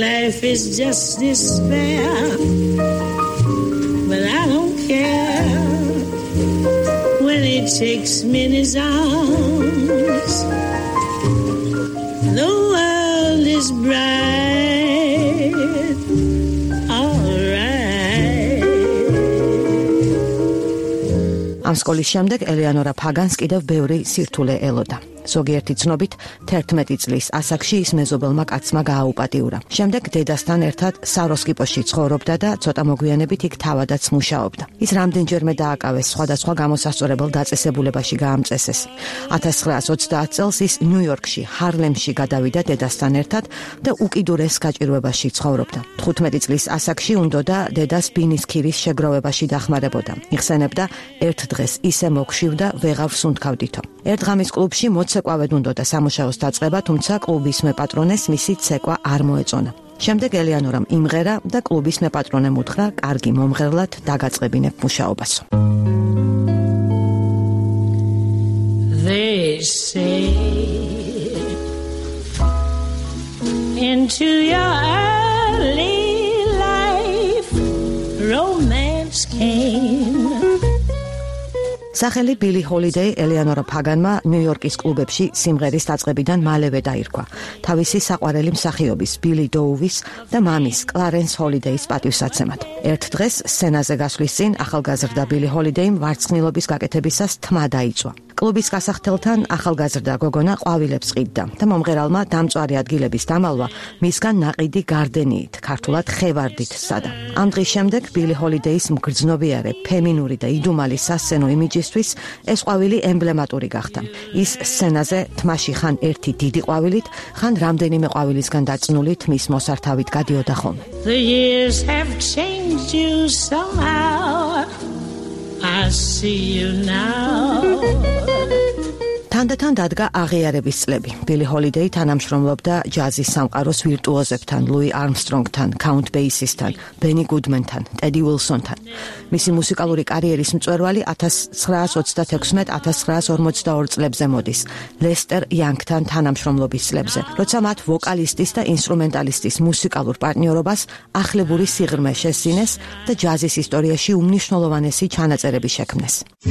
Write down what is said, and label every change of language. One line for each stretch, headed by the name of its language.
English: Life is just despair, but I don't care when he takes me in his arms. The world is bright, all right.
Georgian: ამ სკოლის შემდეგ ელეანორა ფაგანს კიდევ ბევრი სირთულე ელოდა. ზოგიერთი ცნობით 11 წლის ასაკში ის მეზობელმა კაცმა გააუპატიურა. შემდეგ დედასთან ერთად საროსკიპოში ცხოვრობდა და ცოტა მოგვიანებით იქ თავადაც მუშაობდა. ის რამდენჯერმე დააკავეს სხვადასხვა გამოსასწორებელ დაწესებულებაში გაამწესეს. 1920 წელს ის ნიუ-იორკში, ჰარლემში გადავიდა დედასთან ერთად და უკიდურეს გაჭირვებაში ცხოვრობდა. 15 წლის ასაკში უნდოდა დედას ბინისქირის შეგროვებაში დახმარებოდა. იხსენებდა: ერთ დღეს ისე მოგშივდა, ვეღარ სუნთქავდითო. ერთ ღამის კლუბში მოცეკვავედ უნდოდა სამუშაოს დაწყება, თუმცა კლუბის მეპატრონეს მისი ცეკვა არ მოეწონა. შემდეგ ელეანორამ იმღერა და კლუბის მეპატრონემ უთხრა, კარგი მომღერლად დაგაწყებინებ მუშაობას.
English: They say into your early life romance came.
Georgian: სახელი ბილი ჰოლიდეი ელეანორა ფაგანმა ნიუ-იორკის კლუბებში სიმღერის დაწყებიდან მალევე დაირქვა თავისი საყვარელი მსახიობის ბილი დოუვის და მამის კლარენს ჰოლიდეის პატივსაცემად. ერთ დღეს სცენაზე გასვლის წინ ახალგაზრდა ბილი ჰოლიდეიმ ვარცხნილობის გაკეთებისას თმა დაიწვა. კლუბის გასახთელთან ახალგაზრდა გოგონა ყვავილებს ყიდდა და მომღერალმა დამწვარი ადგილების დამალვა მისგან ნაყიდი გარდენიით, ქართულად ხევარდით სადა. ამ დღის შემდეგ ბილი ჰოლიდეის მგრძნობიარე, ფემინური და იდუმალი სასცენო იმიჯისთვის ეს ყვავილი ემბლემატური გახდა. ის სცენაზე თმაში ხან ერთი დიდი ყვავილით, ხან რამდენიმე ყვავილისგან დაწნული თმის მოსართავით გადიოდა ხოლმე.
English: The years have changed you somehow. I see you now.
Georgian: თანდათან დადგა აღიარების წლები. ბილი ჰოლიდეი თანამშრომლობდა ჯაზის სამყაროს ვირტუოზებთან, ლუი არმსტრონგთან, კაუნტ ბეისისთან, ბენი გუდმენთან, ტედი უილსონთან. მისი მუსიკალური კარიერის მწვერვალი 1926-1942 წლებზე მოდის, ლესტერ იანგთან თანამშრომლობის წლებზე, როცა მათ ვოკალისტის და ინსტრუმენტალისტის მუსიკალურ პარტნიორობას ახლებური სიღრმე შესძინეს და ჯაზის ისტორიაში უმნიშვნელოვანესი ჩანაწერები შექმნეს.